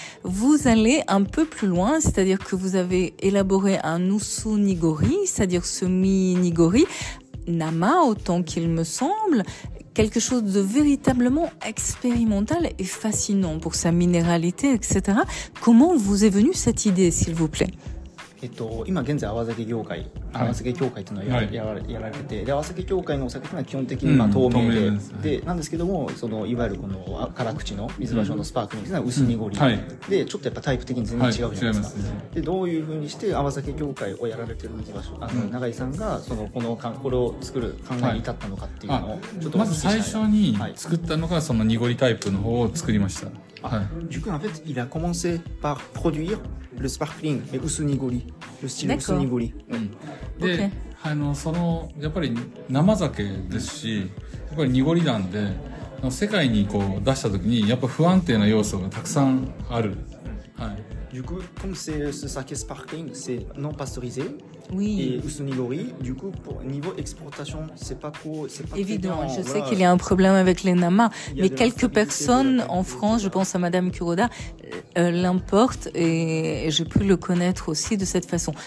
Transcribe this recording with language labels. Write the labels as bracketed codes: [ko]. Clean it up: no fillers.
[fr] Vous allez un peu plus loin, c'est-à-dire que vous avez élaboré un Usu Nigori, c'est-à-dire semi-nigori, Nama autant qu'il me semble, quelque chose de véritablement expérimental et fascinant pour sa minéralité, etc. Comment vous est venue cette idée, s'il vous plaît ? [ja] 今現在泡酒業界、泡酒協会というのを やられて、で泡酒協会のお酒というのは基本的にまあ透明 で、うん、透明で、はい、なんですけども、そのいわゆるこの辛口の水場所のスパークリングというのは薄濁り、うんはい、でちょっとやっぱタイプ的に全然違うじゃないですか、はい、違いますね、でどういうふうにして泡酒協会をやられている水場所、永井さんがこれを作る考えに至ったのかっていうのを、はい、ちょっとまず最初に作ったのがその濁りタイプの方を作りました。 [fr] Du coup, en fait, il a commencé par produire le sparkling, le Usu Nigori, le style Usu Nigori. [ja] で、あの、その、やっぱり生酒ですし、やっぱり濁りなんで、世界にこう出した時に、やっぱ不安定な要素がたくさんある。はい。 [fr] Du coup, comme c'est ce saké sparkling, c'est non pasteurisé. Oui. Et Usu Nigori, du coup, pour niveau exportation, c'est pas évident. Je sais qu'il y a un problème avec les namas, mais quelques personnes en France, je pense à Madame Kuroda, l'importent et j'ai pu le connaître aussi de cette façon.